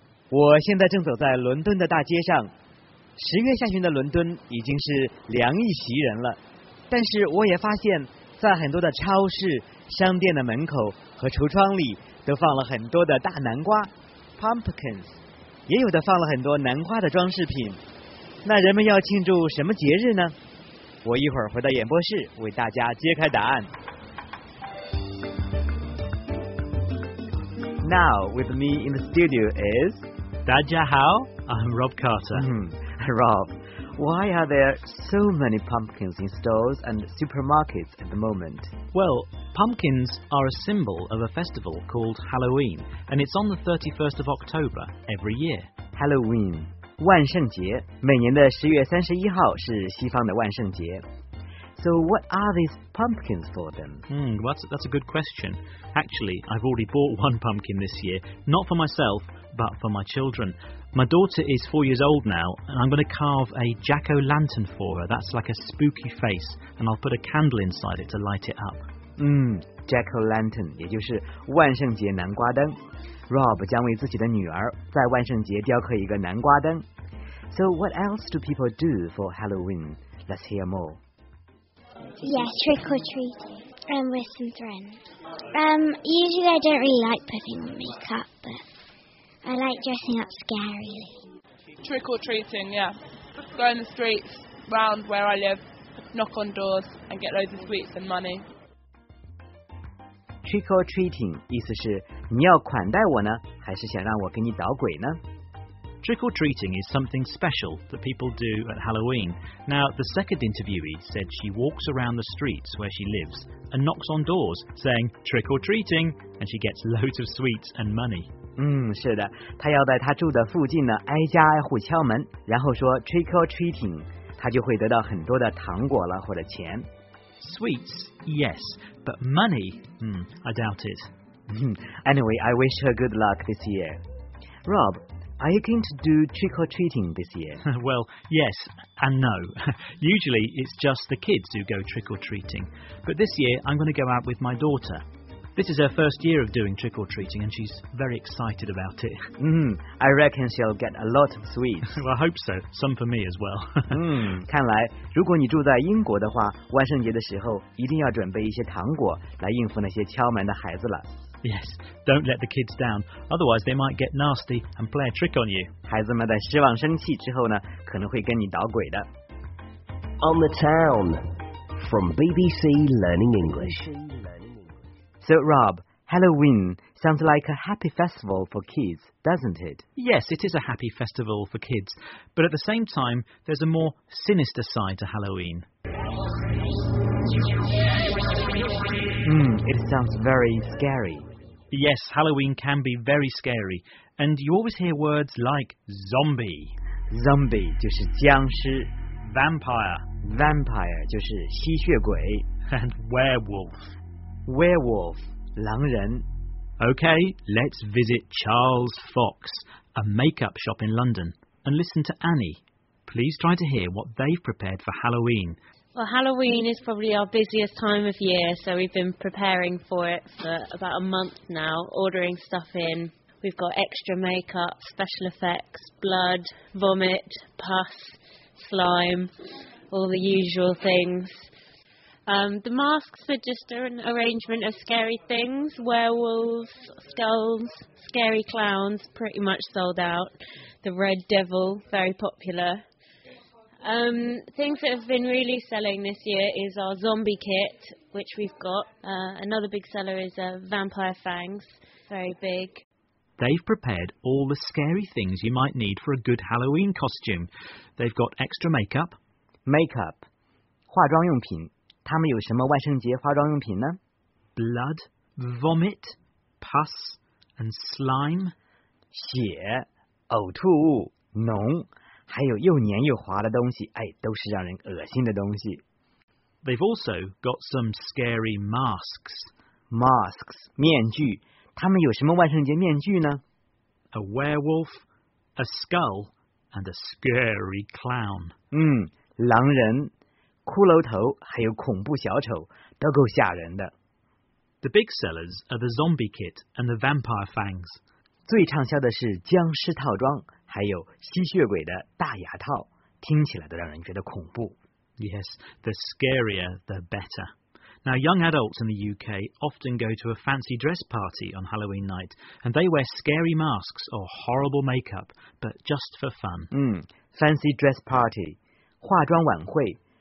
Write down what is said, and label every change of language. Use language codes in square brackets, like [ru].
[zh] 我现在正走在伦敦的大街上。十月下旬的伦敦已经是凉意袭人了，但是我也发现，在很多的超市、商店的门口和橱窗里，都放了很多的大南瓜 pumpkins， 也有的放了很多南瓜的装饰品。那人们要庆祝什么节日呢？我一会儿回到演播室为大家揭开答案。 [en] Now with me in the studio is [zh] 大家好 [en] ，I'm Rob Carter.、 Mm-hmm. Rob, why are there so many pumpkins in stores and supermarkets at the moment? Well, pumpkins are a symbol of a festival called Halloween, and it's on the 31st of October every year. [zh] Halloween, 万圣节，每年的十月三十一号是西方的万圣节。 [en] So what are these pumpkins for then? That's a good question. Actually, I've already bought one pumpkin this year, not for myself, but for my children. My daughter is 4 years old now, and I'm going to carve a jack-o'-lantern for her. That's like a spooky face, and I'll put a candle inside it to light it up. [zh] Jack-o'-lantern, 也就是万圣节南瓜灯。Rob 将为自己的女儿在万圣节雕刻一个南瓜灯。 [en] So what else do people do for Halloween? Let's hear more. Yeah, trick-or-treating, with some friends. Usually I don't really like putting on makeup, but... I like dressing up scarily. Trick or treating, yeah. Go in the streets, round where I live, knock on doors, and get loads of sweets and money. [zh] Trick or treating, 意思是你要款待我呢，还是想让我给你捣鬼呢？ [en] Trick or treating is something special that people do at Halloween. Now, the second interviewee said she walks around the streets where she lives and knocks on doors, saying trick or treating, and she gets loads of sweets and money. [zh] 是的，他要在他住的附近呢挨家挨户敲门，然后说 trick or treating， 他就会得到很多的糖果了或者钱。 [en] Sweets, yes, but money, I doubt it. Anyway, I wish her good luck this year. Rob, are you going to do trick or treating this year? Well, yes and no. Usually, it's just the kids who go trick or treating. But this year, I'm going to go out with my daughter. This is her first year of doing trick-or-treating, and she's very excited about it. I reckon she'll get a lot of sweets. Well, I hope so. Some for me as well. [zh] 看来如果你住在英国的话，万圣节的时候一定要准备一些糖果来应付那些敲门的孩子了。 [en] Yes, don't let the kids down. Otherwise, they might get nasty and play a trick on you. [zh] 孩子们在失望生气之后呢，可能会跟你捣鬼的。 [en] On the town, from BBC Learning English. So, Rob, Halloween sounds like a happy festival for kids, doesn't it? Yes, it is a happy festival for kids. But at the same time, there's a more sinister side to Halloween. It sounds very scary. Yes, Halloween can be very scary. And you always hear words like zombie. [zh] Zombie 就是僵尸。 [en] Vampire. [zh] Vampire 就是吸血鬼。 [en] And werewolf. [zh] Werewolf, 狼人。 [en] Okay, let's visit Charles Fox, a makeup shop in London, and listen to Annie. Please try to hear what they've prepared for Halloween. Well, Halloween is probably our busiest time of year, so we've been preparing for it for about a month now, ordering stuff in. We've got extra makeup, special effects, blood, vomit, pus, slime, all the usual things. The masks are just an arrangement of scary things, werewolves, skulls, scary clowns, pretty much sold out. The Red Devil, very popular. Things that have been really selling this year is our zombie kit, which we've got. Another big seller is vampire fangs, very big. They've prepared all the scary things you might need for a good Halloween costume. They've got extra makeup. [zh] Makeup, 化妆用品。他们有什么万圣节化妆用品呢 [en] ？Blood, vomit, pus, and slime. [zh] 血、呕吐物、脓，还有又黏又滑的东西，哎，都是让人恶心的东西。 [en] They've also got some scary masks. [zh] Masks, 面具。他们有什么万圣节面具呢 [en] ？A werewolf, a skull, and a scary clown. [zh] 狼人、骷髅头还有恐怖小丑都够吓人的。 [en] The big sellers are the zombie kit and the vampire fangs. [zh] 最畅销的是僵尸套装，还有吸血鬼的大牙套，听起来都让人觉得恐怖。 [en] Yes, the scarier the better. Now, young adults in the UK often go to a fancy dress party on Halloween night, and they wear scary masks or horrible makeup, but just for fun. [zh] Fancy dress party, 化妆晚会。